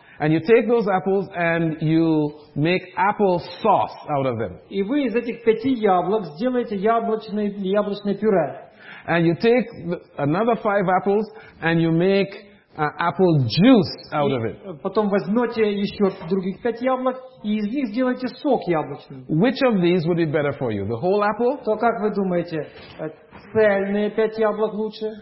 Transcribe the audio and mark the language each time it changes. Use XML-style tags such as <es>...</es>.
<en>And you take those apples and you make apple sauce out of them.</en> <ru>И вы из этих пяти яблок сделаете яблочное пюре.</ru> <en>And you take another five apples and you make apple juice out of it.</en> <ru>Потом возьмете еще других пять яблок и из них сделаете сок яблочный.</ru> <en>Which of these would be better for you? The whole apple?</en> <ru>То как вы думаете, цельные пять яблок лучше?</ru>